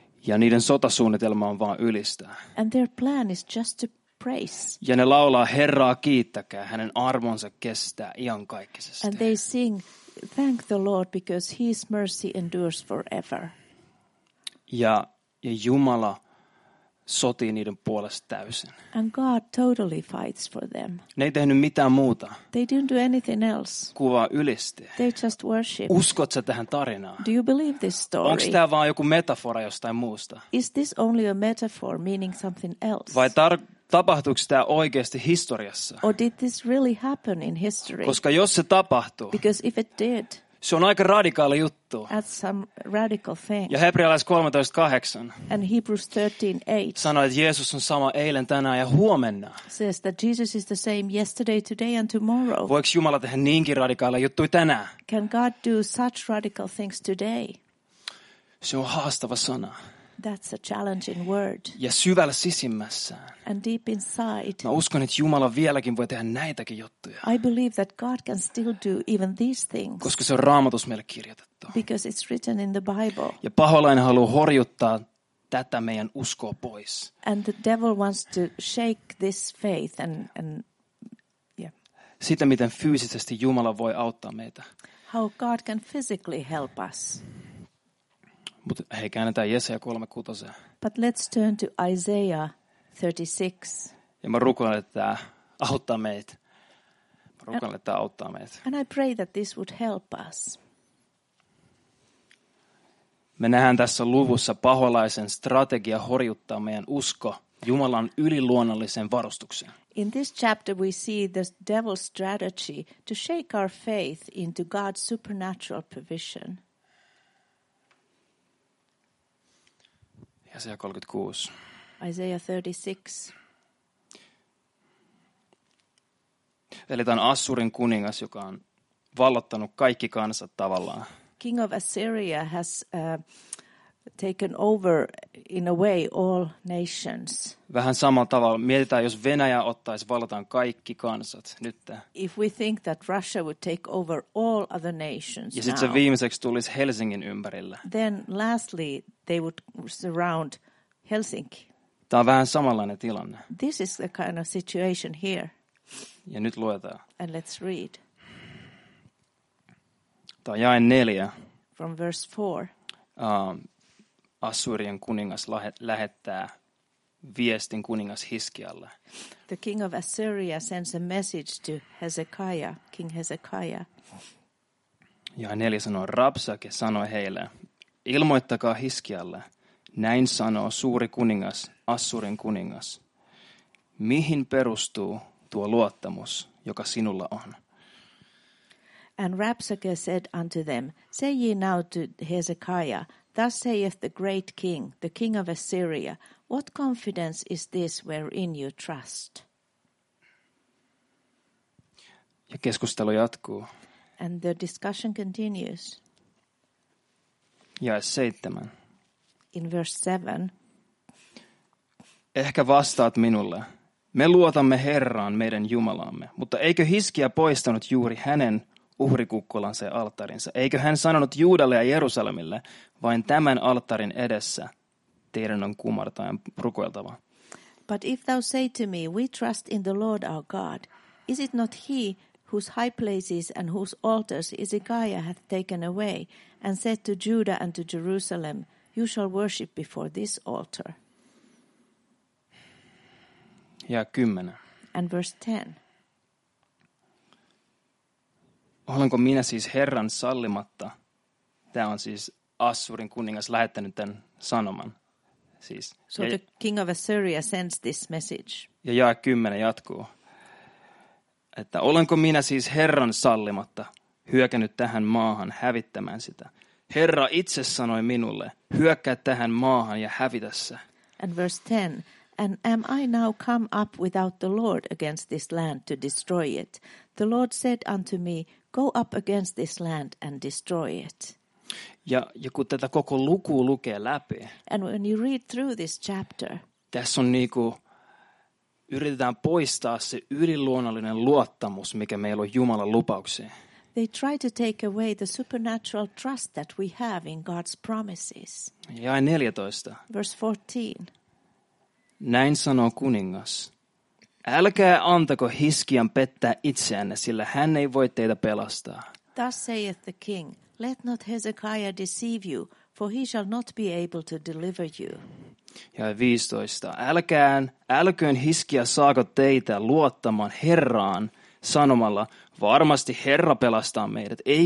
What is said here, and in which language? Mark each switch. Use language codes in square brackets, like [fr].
[fi] Ja niiden sotasuunnitelma on vaan ylistää. [en] And their plan is just to praise. [fi] Ja ne laulaa Herraa kiittäkää, hänen armonsa kestää iankaikkisesti. [en] And they sing thank the Lord because his mercy endures forever. [fi] Ja Jumala sotii niiden puolesta täysin. [en] And God totally fights for them. [fi] Ne ei tehnyt mitään muuta. [en] They didn't do anything else. [fi] Kuvaa ylisti. [en] They just worshiped. [fi] Uskot sä tähän tarinaan? [en] Do you believe this story? [fi] Onko tämä vaan joku metafora jostain muusta? [en] Is this only a metaphor meaning something else? [fi] Vai tapahtuiko tämä oikeasti historiassa? [en] Or did this really happen in history? [fi] Koska jos se tapahtuu. [en] Because if it did. [fi] Se on aika radikaali juttu. [en] That's some radical thing. [fi] Ja hebrealais 13:8. [en] And Hebrews 13:8. [fi] Sanoo, että Jeesus on sama eilen, tänään ja huomenna. [en] Says that Jesus is the same yesterday, today and tomorrow. [fi] Voiko Jumala tehdä niinkin radikaali juttu tänään? [en] Can God do such radical things today? [fi] Se on haastava sana. [en] That's a challenging word. [fi] Ja syvällä sisimmässään. [en] And deep inside. [fi] Mä uskon, että Jumala vieläkin voi tehdä näitäkin juttuja. [en] I believe that God can still do even these things. [fi] Koska se on Raamatussa meille kirjoitettu. [en] Because it's written in the Bible. [fi] Ja paholainen haluaa horjuttaa tätä meidän uskoa pois. [en] And the devil wants to shake this faith and yeah. [fi] Sitä, miten fyysisesti Jumala voi auttaa meitä. [en] How God can physically help us. [fi] Mutta hei, käännetään Jesaja 36. [en] But let's turn to Isaiah 36. [fi] Ja mä rukoilen, että tämä auttaa meitä. Mä rukoilen, että tämä auttaa meitä. [en] And I pray that this would help us. [fi] Me nähdään tässä luvussa paholaisen strategia horjuttaa meidän usko Jumalan yliluonnolliseen varustukseen. [en] In this chapter we see the devil's strategy to shake our faith into God's supernatural provision. [fi] Jesaja 36. [en] Isaiah 36. [fi] Eli tämä on Assurin kuningas, joka on vallottanut kaikki kansat tavallaan. [en] King of Assyria has taken over in a way all nations. [fi] Vähän samalla tavalla. Mietitään, jos Venäjä ottaisi vallataan kaikki kansat nyt. [en] If we think that Russia would take over all other nations. [fi] Ja sitten se viimeiseksi tulisi Helsingin ympärillä. [en] Then lastly they would surround Helsinki. [fi] Tämä on vähän samanlainen tilanne. [en] This is the kind of situation here. [fi] Ja nyt luetaan. [en] And let's read. [fi] Tämä on jae 4. [en] From verse 4. [fi] Assyrian kuningas lähettää viestin kuningas Hiskialle. [en] The king of Assyria sends a message to Hezekiah, King Hezekiah. [fi] Jae 4 sanoo, Rabsake sanoi heille, ilmoittakaa Hiskialle, näin sanoo suuri kuningas, Assyrin kuningas. Mihin perustuu tuo luottamus, joka sinulla on? [en] And Rabsake said unto them, say ye now to Hezekiah, thus saith the great king, the king of Assyria, what confidence is this wherein you trust? [fi] Ja keskustelu jatkuu. [en] And the discussion continues. [fi] Jae 7. [en] In verse 7. [fi] Ehkä vastaat minulle. Me luotamme Herraan, meidän Jumalaamme, mutta eikö Hiskia poistanut juuri hänen uhrikukkulansa ja alttarinsa? Eikö hän sanonut Juudalle ja Jerusalemille, vain tämän alttarin edessä teidän on kumartaen rukoiltava? [en] But if thou say to me, we trust in the Lord our God, is it not he whose high places and whose altars Hezekiah hath taken away, and said to Judah and to Jerusalem, you shall worship before this altar? [fi] Ja 10. [en] And verse 10. [fi] Olenko minä siis Herran sallimatta? Tämä on siis Assyrin kuningas lähettänyt tämän sanoman. Siis, [en] so the king of Assyria sends this message. [fi] Ja 10 jatkuu. Että olenko minä siis Herran sallimatta hyökännyt tähän maahan hävittämään sitä? Herra itse sanoi minulle, hyökkää tähän maahan ja hävitä se. [en] And verse 10. And am I now come up without the Lord against this land to destroy it? The Lord said unto me, go up against this land and destroy it. [fi] Ja kun tätä koko luku lukee läpi. [en] And when you read through this chapter. [fi] Tässä on niinku, yritetään poistaa se yliluonnollinen luottamus, mikä meillä on Jumalan lupauksiin. [en] They try to take away the supernatural trust that we have in God's promises. [fi] Jae 14. [en] Verse 14. [fi] Näin sanoo kuningas. Älkää antako Hiskian pettää itseänne, sillä hän ei voi teitä pelastaa. [en] Thus saith the king, let not Hezekiah deceive you, for he shall not be able to deliver you. [fi] Ja 15. Älköön Hiskia saako teitä luottamaan Herraan sanomalla, varmasti Herra pelastaa meidät.